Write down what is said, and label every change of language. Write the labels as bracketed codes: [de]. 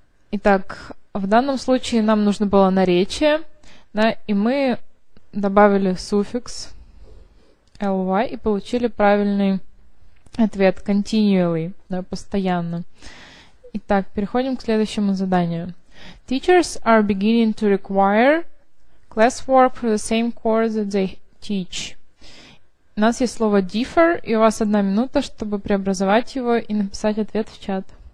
[ru] Итак, в данном случае нам нужно было наречие, да, и мы добавили суффикс «ly» и получили правильный ответ – «continually», да, «постоянно». Итак, переходим к следующему заданию. [en] Teachers are beginning to require classwork for the same course that they teach. [ru] У нас есть слово differ, и у вас одна минута, чтобы преобразовать его и написать ответ в чат.